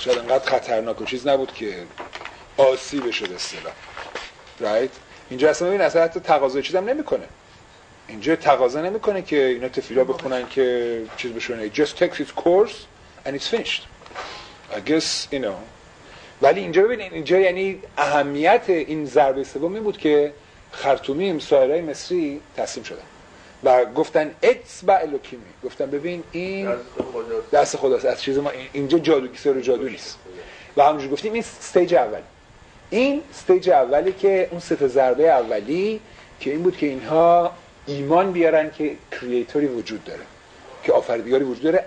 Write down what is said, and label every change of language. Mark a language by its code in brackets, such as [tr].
[fa] شاید اونقدر خطرناک و چیز نبود که آسیبش شده اصلا. [en] Right? [fa] اینجا اصلا ببین اصلا حتی تقاضای چیزم نمیکنه. اینجا تقاضا نمیکنه که اینا تفیلا بخونن که چیز بشونه. [en] It just takes its course and it's finished. I guess, you know. [fa] ولی اینجا ببین اینجا یعنی اهمیت این ضربه سوم این بود که خرطومیم سایرای مصری تسلیم شدن و گفتن اتبع الوکیمی، گفتن ببین این دست خداست، از چیز ما اینجا جادو کسر و جادو نیست. و همونجور گفتیم این استیج اول، این استیج اولی که اون ست ضربه اولی که این بود که اینها ایمان بیارن که کریئتوری وجود داره، که آفریدگاری وجود داره.